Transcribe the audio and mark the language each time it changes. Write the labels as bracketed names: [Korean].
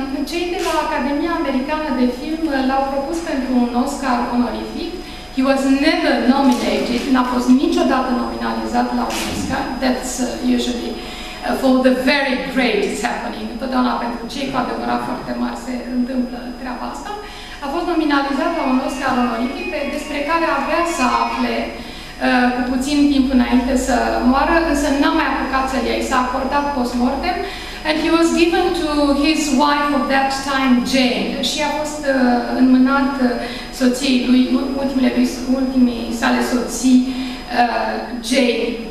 [Romanian] Cei de la Academia Americană de Film l-au propus pentru un Oscar onorific. [English] He was never nominated, [Romanian] n-a fost niciodată nominalizat la un Oscar, [English] that's usually for the very great is happening. [Romanian] Întotdeauna pentru cei cu adevărat foarte mari se întâmplă treaba asta. A fost nominalizat la un Oscar onorific despre care avea să afle cu puțin timp înainte să moară, însă n-a mai apucat să-l ia. I s-a acordat post-mortem. [English] And he was given to his wife of that time, Jane. [Romanian] Și a fost înmânat soției lui, ultimii sale soții, Jane.